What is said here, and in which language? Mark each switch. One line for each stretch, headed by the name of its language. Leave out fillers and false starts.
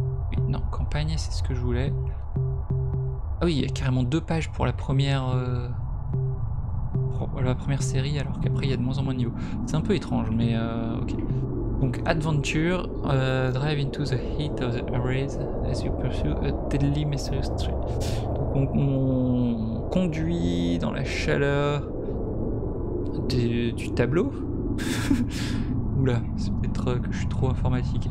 French: Oui, non, campagne, c'est ce que je voulais. Ah oui, il y a carrément deux pages pour la première. Pour la première série, alors qu'après il y a de moins en moins de niveaux. C'est un peu étrange, mais ok.
English: Donc, adventure, drive into the heat of the arrays as you pursue a deadly mysterious trail.
French: Donc, on conduit dans la chaleur du tableau. Oula, c'est peut-être que je suis trop informatique.